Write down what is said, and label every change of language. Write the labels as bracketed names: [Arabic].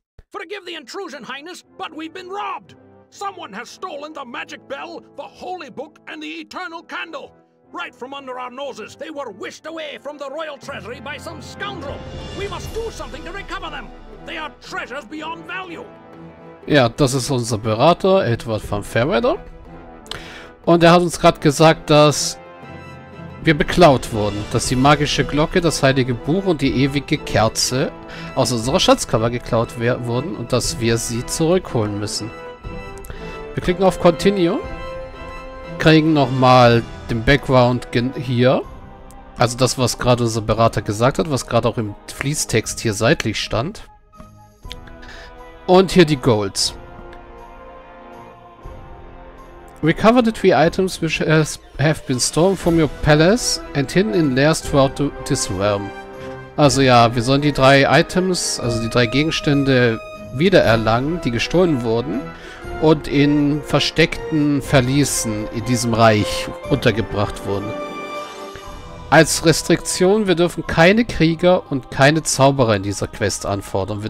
[English] Forgive the intrusion, Highness, but we've been robbed. Someone has stolen the magic bell, the holy book and the eternal candle. Right from under our noses, they were whisked away from the royal treasury by some scoundrel. We must do something to recover them. They are treasures beyond value. [German] Ja, das ist unser Berater, Edward Van Fairweather. Und er hat uns gerade gesagt, dass wir beklaut wurden. Dass die magische Glocke, das heilige Buch und die ewige Kerze aus unserer Schatzkammer geklaut wurden. Und dass wir sie zurückholen müssen. Wir klicken auf Continue. kriegen nochmal den Background hier. Also das, was gerade unser Berater gesagt hat, was gerade auch im Fließtext hier seitlich stand. Und hier die Goals. [English] Recover the three items which have been stolen from your palace and hidden in lairs throughout this realm. [German] Also ja, wir sollen die drei Items, also die drei Gegenstände wiedererlangen, die gestohlen wurden und in versteckten Verließen in diesem Reich untergebracht wurden. Als Restriktion, wir dürfen keine Krieger und keine Zauberer in dieser Quest anfordern.